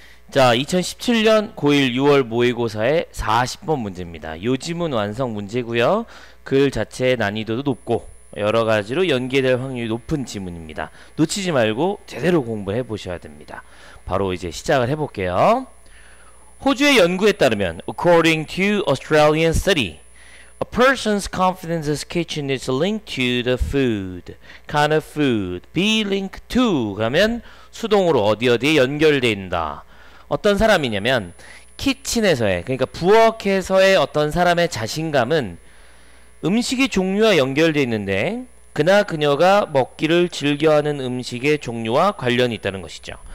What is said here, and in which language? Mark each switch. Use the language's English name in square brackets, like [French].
[Korean] 자, 2017년 고1 6월 모의고사의 40번 문제입니다. 요즘은 완성 문제고요. 글 자체의 난이도도 높고 여러 가지로 연계될 확률이 높은 지문입니다. 놓치지 말고 제대로 공부해 보셔야 됩니다. 바로 이제 시작을 해볼게요. 호주의 연구에 따르면 [English] According to Australian study, a person's confidence in kitchen is linked to the food. Kind of food. Be linked to [Korean] 가면 수동으로 어디 어디에 연결된다. 어떤 사람이냐면 키친에서의 그러니까 부엌에서의 어떤 사람의 자신감은 음식의 종류와 연결되어 있는데 그나 그녀가 먹기를 즐겨하는 음식의 종류와 관련이 있다는 것이죠.